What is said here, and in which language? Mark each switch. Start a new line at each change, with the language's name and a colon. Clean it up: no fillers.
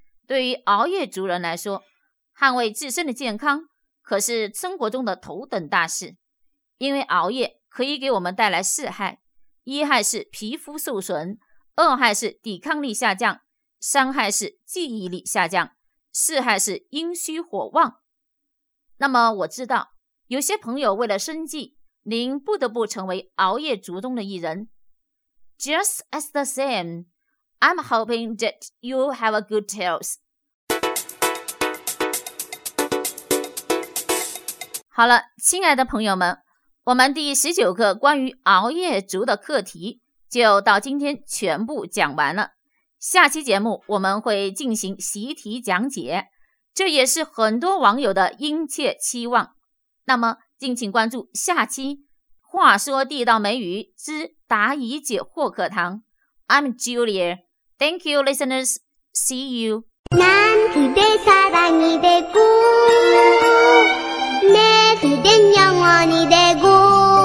Chinese: 对于熬夜族人来说，捍卫自身的健康可是生活中的头等大事，因为熬夜可以给我们带来四害，一害是皮肤受损，二害是抵抗力下降，三害是记忆力下降，四害是阴虚火旺。那么我知道有些朋友为了生计，您不得不成为熬夜族中的一人。
English: Just as the same, I'm hoping that you have a good health.
Chinese: 好了，亲爱的朋友们，我们第19课关于熬夜族的课题就到今天全部讲完了。下期节目我们会进行习题讲解，这也是很多网友的殷切期望。那么敬请关注下期《话说地道美语之答疑解惑课堂》。
English: I'm Julia. Thank you, listeners. See you.
Korean: 난 그대 사랑이 되고내 그댄 영원히 되고